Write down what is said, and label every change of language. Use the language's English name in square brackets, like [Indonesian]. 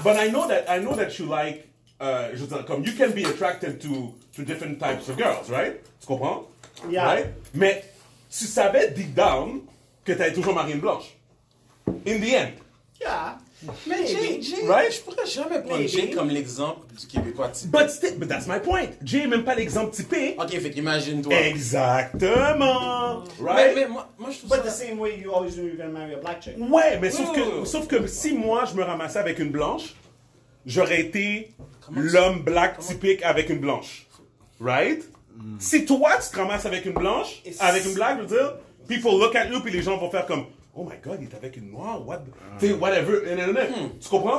[English] But I know that you like, [French] je veux dire, comme, [English] you can be attracted to different types of girls, right? [French] Tu comprends? [English] Yeah. Right? [French] Mais tu savais [English] deep down [French] que t'avais toujours Marine Blanche. [English] In the end. Yeah. [French] Mais Jay, je pourrais jamais prendre Jay comme l'exemple du Québécois typé. [English] But that's my point. [French] Jay n'est même pas l'exemple typé. Ok, fait qu'imagine-toi. Exactement. [English] Right? [French] Mais moi, je trouve [English] but [French] ça... [English] But the same way you always knew you're going to marry a black chick. [French] Ouais, mais sauf que si moi, je me ramassais avec une blanche, j'aurais été typique avec une blanche. [English] Right? [French] Si toi, tu te ramasses avec une blanche, black, je veux dire, [English] people look at you [French] et les gens vont faire comme... [English] Oh my god, [French] il est avec une noire, [English] whatever. [French] Tu comprends?